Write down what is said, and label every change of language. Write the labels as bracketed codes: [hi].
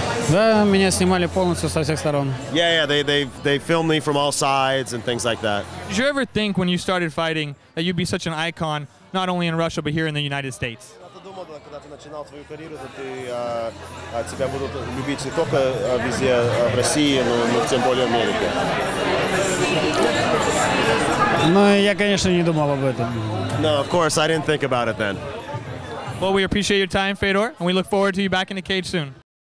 [ru] Да, меня снимали полностью со всех сторон. [en] Yeah, they filmed me from all sides and things like that. Did you ever think when you started fighting that you'd be such an icon, not only in Russia but here in the United States? Когда ты начинал свою карьеру, то тебя будут любить не только везде в России, но тем более в Америке. [ru] Ну, я, конечно, не думал об этом. [en] No, of course, I didn't think about it then. Well, we appreciate your time, Fedor, and we look forward to you back in the cage soon.